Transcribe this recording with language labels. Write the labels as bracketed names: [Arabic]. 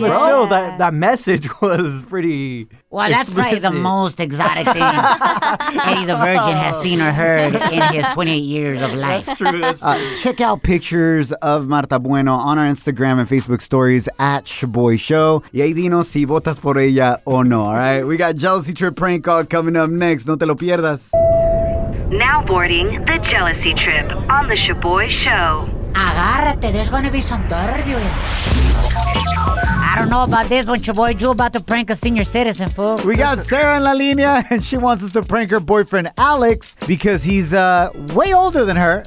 [English] No, but still, that message was pretty. Well, that's explicit. Probably the most exotic thing Eddie the Virgin has seen or heard in his 28 years of life. That's true. That's true. Check out pictures of Marta Bueno on our Instagram and Facebook stories at Shaboy Show. [Spanish] Y ahí dinos si votas por ella o no, [English] all right? We got Jealousy Trip prank call coming up next. [Spanish] No te lo pierdas. [English] Now boarding the Jealousy Trip on the Shaboy Show. Agárrate, there's gonna be some turbulence. I don't know about this one, Chaboy. You about to prank a senior citizen, fool. We got Sarah in La Linea, and she wants us to prank her boyfriend, Alex, because he's way older than her.